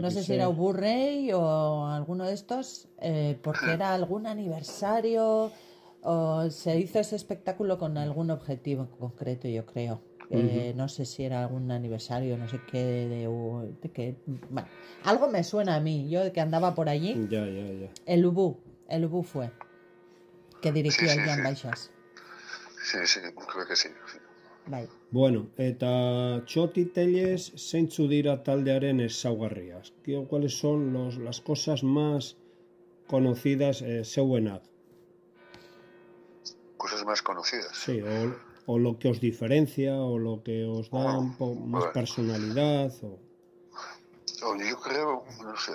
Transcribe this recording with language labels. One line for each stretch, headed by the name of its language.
Spanish: No sé si era ubu rey o alguno de estos, porque era algún aniversario, o se hizo ese espectáculo con algún objetivo concreto, yo creo. Uh-huh. No sé si era algún aniversario, no sé qué, de que, bueno, algo me suena a mí, yo que andaba por allí. Ya. El Ubu fue, que dirigió el Joan Baixas. Sí, creo que sí.
Basque: Bai. Bueno, eta Txoti Tellez, zeintzu dira taldearen ezaugarriak?
Spanish: Kio, cuáles son los las cosas más conocidas zeuenak? Cosas más conocidas. Sí, o lo que os diferencia o lo que os da un poco más personalidad o... No, yo creo, no sé.